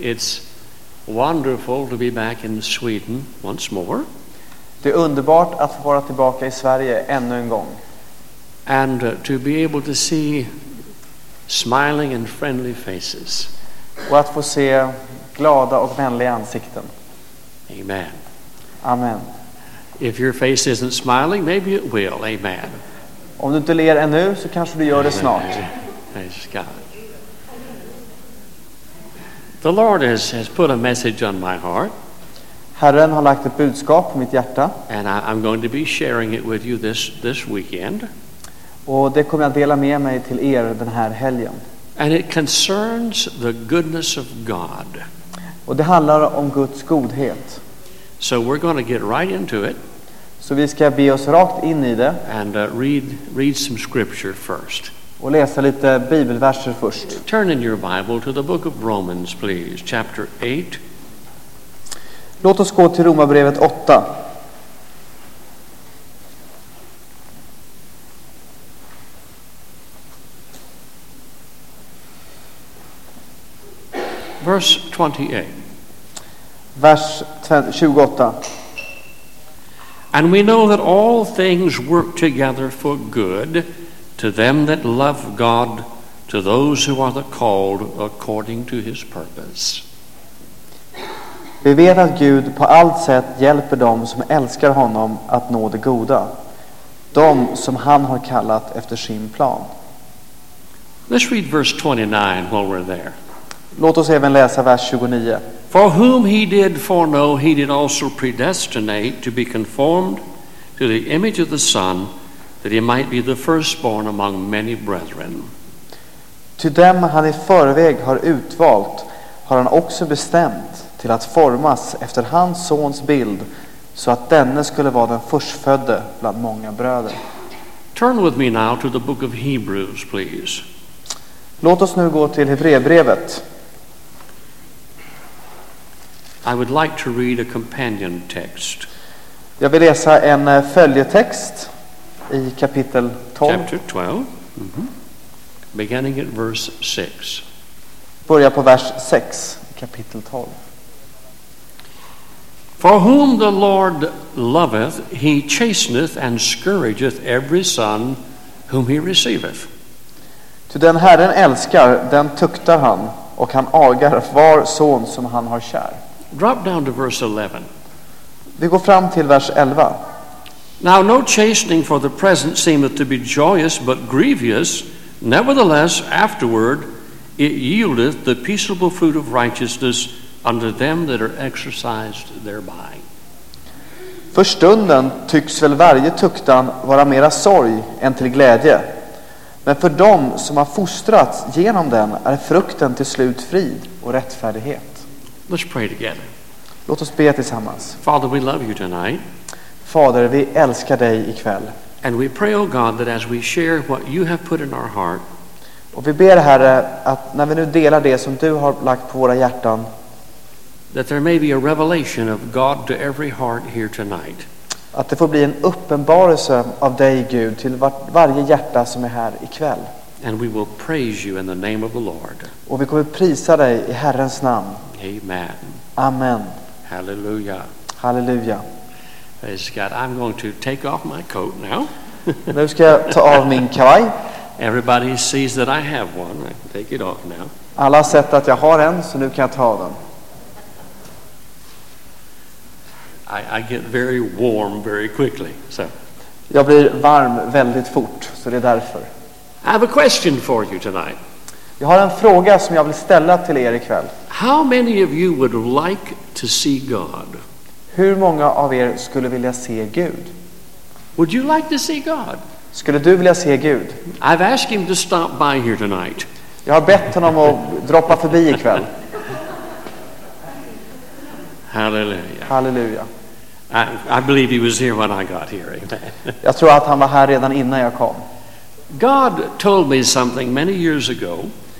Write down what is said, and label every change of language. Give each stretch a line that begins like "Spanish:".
English: It's wonderful to be back in Sweden once more.
Swedish: Det är underbart att få vara tillbaka i Sverige ännu en gång.
English: And to be able to see smiling and friendly faces.
Swedish: Och att få se glada och vänliga ansikten. Amen. Amen.
English: If your face isn't smiling, maybe it will. Amen.
Swedish: Om du inte ler ännu så kanske du gör det snart.
English: Praise God. The Lord has put a message on my heart.
Swedish: Herren har lagt ett budskap på mitt hjärta.
English: And I'm going to be sharing it with you this weekend.
Swedish: Och det kommer jag dela med mig till er den här helgen.
English: And it concerns the goodness of God.
Swedish: Och det handlar om Guds godhet.
English: So we're going to get right into it.
Swedish: Så vi ska be oss rakt in i det.
English: And read some scripture first.
Swedish: Och läsa lite bibelverser först.
English: Turn in your Bible to the book of Romans, please, chapter 8.
Swedish: Låt oss gå till Romarbrevet 8.
English: Verse 28.
Swedish: Vers 28.
English: And we know that all things work together for good to them that love God, to those who are the called according to His purpose.
Swedish: Vi vet att Gud på allt sätt hjälper dem som älskar honom att nå det goda, de som han har kallat efter sin plan.
English: Let's read verse 29 while we're there.
Swedish: Låt oss även läsa vers 29.
English: For whom he did foreknow, he did also predestinate to be conformed to the image of the Son, that he might be the firstborn among many brethren.
Swedish: Till dem han i förväg har utvalt, har han också bestämt till att formas efter hans sons bild, så att denne skulle vara den förstfödde bland många bröder.
English: Turn with me now to the book of Hebrews, please.
Swedish: Låt oss nu gå till Hebreerbrevet.
English: I would like to read a companion text.
Swedish: Jag vill läsa en följetext i kapitel 12.
English: Chapter 12. Mm-hmm. Beginning at verse 6.
Swedish: Börja på vers 6 i kapitel 12.
English: For whom the Lord loveth, he chasteneth and scourgeth every son whom he receiveth.
Swedish: Till den Herren älskar, den tuktar han, och han agar var son som han har kär.
English: Drop down to verse 11.
Swedish: Vi går fram till vers 11.
English: Now no chastening for the present seemeth to be joyous but grievous, nevertheless afterward it yieldeth the peaceable fruit of righteousness unto them that are exercised thereby.
Swedish: För stunden tycks väl varje tuktan vara mera sorg än till glädje, men för dem som har fostrats genom den är frukten till slut frid och rättfärdighet.
English: Let's pray together.
Swedish: Låt oss be tillsammans.
English: Father, we love you tonight.
Swedish: Fader, vi älskar dig ikväll.
English: And we pray, O God, that as we share what you have put in our heart.
Swedish: Och vi ber, Herre, att när vi nu delar det som du har lagt på våra hjärtan,
English: that there may be a revelation of God to every heart here tonight.
Swedish: Att det får bli en uppenbarelse av dig, Gud, till varje hjärta som är här ikväll.
English: And we will praise you in the name of the Lord.
Swedish: Och vi kommer prisa dig i Herrens namn. Amen. Amen. Halleluja. Halleluja.
English: Praise God. I'm going to take off my coat now.
Swedish: Nu ska jag ta av min kavaj.
English: Everybody sees that I have one. I can take it off now.
Swedish: Alla har sett att jag har en, så nu kan jag ta av den.
English: I get very warm very quickly. So.
Swedish: Jag blir varm väldigt fort, så det är därför.
English: I have a question for you tonight.
Swedish: Jag har en fråga som jag vill ställa till er ikväll.
English: How many of you would like to see God?
Swedish: Hur många av er skulle vilja se Gud?
English: Would you like to see God?
Swedish: Skulle du vilja se Gud?
English: I've asked him to stop by here tonight.
Swedish: Jag har bett honom att droppa förbi ikväll. Hallelujah. Hallelujah.
English: I believe he was here when I got here.
Swedish: Jag tror att han var här redan innan jag kom.
English: God told me something many years ago.